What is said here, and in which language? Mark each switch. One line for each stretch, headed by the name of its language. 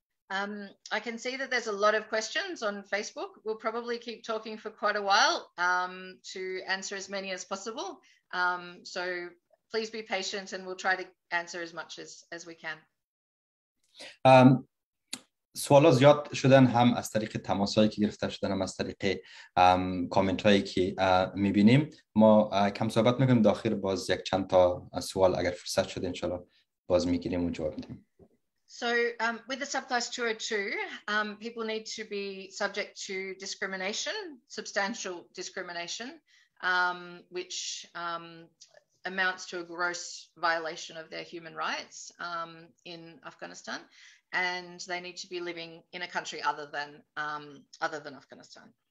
English: I can see that there's a lot of questions on Facebook. We'll probably keep talking for quite a while to answer as many as possible. So please be patient and we'll try to answer as much as we can.
Persian: سوال‌ها زیاد شدن، هم از طریق تماس‌هایی که گرفته شدن، هم از طریق کامنت‌هایی که می‌بینیم. ما کم صحبت می‌کنیم، داخل باز یک چند تا سوال اگر فرصت شد انشاءالله باز می‌گیریم و جواب می‌دیم.
English: So with the subclass 202, people need to be subject to discrimination, substantial discrimination, which amounts to a gross violation of their human rights in Afghanistan, and they need to be living in a country other than Afghanistan.